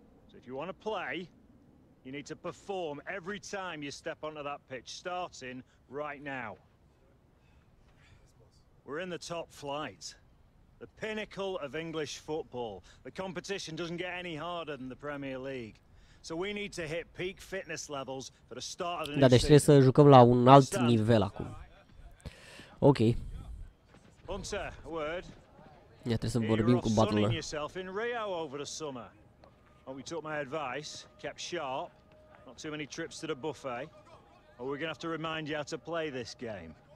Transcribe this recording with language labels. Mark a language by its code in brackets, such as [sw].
[en] So if you want to play, you need to perform every time you step onto that pitch, starting right now. We're in the top flight. The pinnacle of English football. The competition doesn't get any harder than the Premier League. So we need to hit peak fitness levels for the start of the new season. [ro] Da, deci trebuie să jucăm la un alt nivel acum. Ok. [en] Hunter, a word. [ro] Ia, trebuie să vorbim cu Butler. [en] Sunning yourself in Rio over the summer. Oh, we took my advice, kept sharp, not too many trips to the buffet. Or we're gonna have to remind you how to play this game.